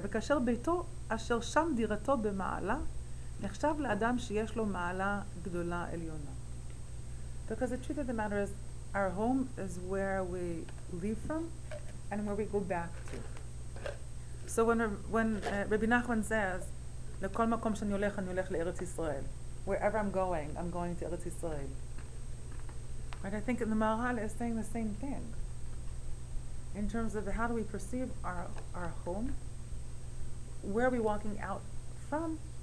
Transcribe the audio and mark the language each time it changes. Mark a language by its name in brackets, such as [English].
[Hebrew] וכאשר ביתו אשר שם דירתו במעלה, נחשב לאדם שיש לו מעלה גדולה עליונה. [English] Because the truth of the matter is, our home is where we leave from and where we go back to. So when Rabbi Nachman says, [Hebrew] לכל מקום שאני הולך, אני הולך לארץ ישראל. [English] Wherever I'm going to Eretz Yisrael. Right, I think the Maharal is saying the same thing. In terms of how do we perceive our home? Where are we walking out from?